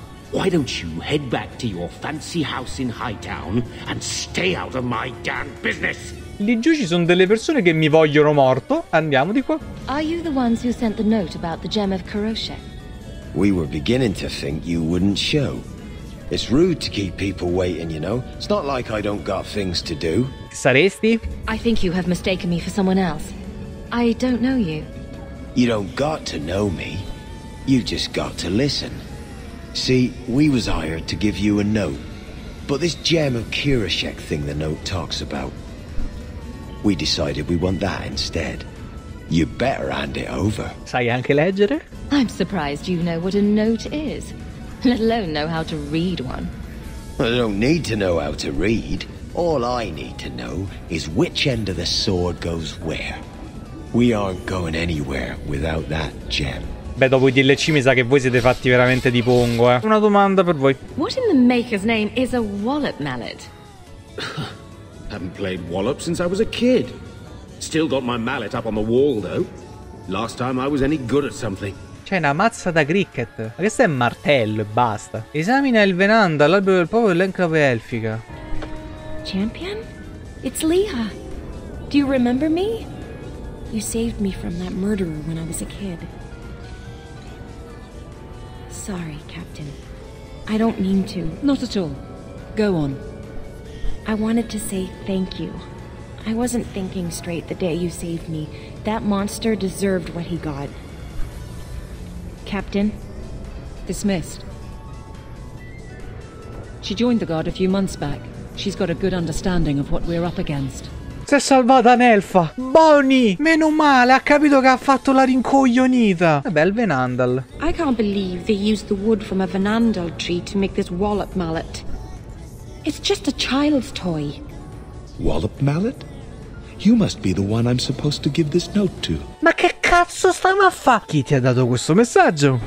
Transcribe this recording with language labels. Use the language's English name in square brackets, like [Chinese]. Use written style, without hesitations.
[English] Why don't you head back to your fancy house in Hightown and stay out of my damn business? [Italian] Lì giù ci sono delle persone che mi vogliono morto. Andiamo di qua. [English] Are you the ones who sent the note about the gem of Kuroshe? We were beginning to think you wouldn't show. It's rude to keep people waiting, you know. It's not like I don't got things to do. [Italian] Saresti? [English] I think you have mistaken me for someone else. I don't know you. You don't got to know me. You just got to listen. See, we was hired to give you a note. But this gem of Kuroshek thing the note talks about, we decided we want that instead. You better hand it over. [Italian] Sai anche leggere? [English] I'm surprised you know what a note is, let alone know how to read one. I don't need to know how to read. All I need to know is which end of the sword goes where. We aren't going anywhere without that gem. [Italian] Beh, dopo i DLC mi sa che voi siete fatti veramente di pongo, eh. Una domanda per voi. [English] What in the maker's name is a wallop mallet? Haven't played wallop since I was a kid. Still got my mallet up on the wall, though. Last time I was any good at something. [Italian] C'è una mazza da cricket. Ma questo è martello, basta. Esamina il venanda, l'albero del popolo dell'enclave elfica. [English] Champion? It's Leah. Do you remember me? You saved me from that murderer when I was a kid. Sorry, Captain. I don't mean to. Not at all. Go on. I wanted to say thank you. I wasn't thinking straight the day you saved me. That monster deserved what he got. Captain? Dismissed. She joined the guard a few months back. She's got a good understanding of what we're up against. [Italian] Si è salvata un'elfa. Bonnie! Meno male, ha capito che ha fatto la rincoglionita. Vabbè, il Venandal. [English] I can't believe they used the wood from a Venandal tree to make this wallop mallet. It's just a child's toy. Wallop mallet? You must be the one I'm supposed to give this note to. [Italian] Ma che cazzo stiamo a fa? Chi ti ha dato questo messaggio?